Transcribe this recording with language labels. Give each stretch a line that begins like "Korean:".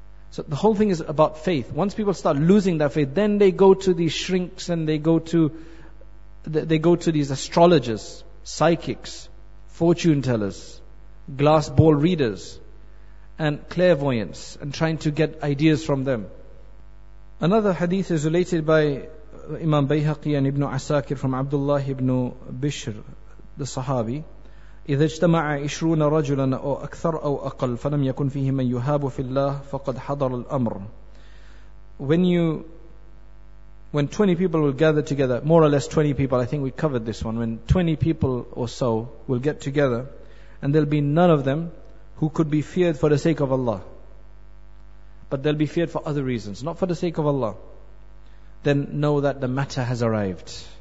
English: So the whole thing is about faith. Once people start losing that faith, then they go to these shrinks and they go to these astrologers, psychics, fortune tellers, glass ball readers, and clairvoyants, and trying to get ideas from them. Another hadith is related by Imam Bayhaqi and Ibn Asakir from Abdullah ibn Bishr, the Sahabi.
Arabic: إذا اجتمع عشرون رجلا أو أكثر أو أقل فلم يكن فيه من يهاب في الله فقد حضر الأمر.
English: When 20 people will gather together, more or less 20 people, I think we covered this one, when 20 people or so will get together, and there'll be none of them who could be feared for the sake of Allah, but they'll be feared for other reasons, not for the sake of Allah, then know that the matter has arrived.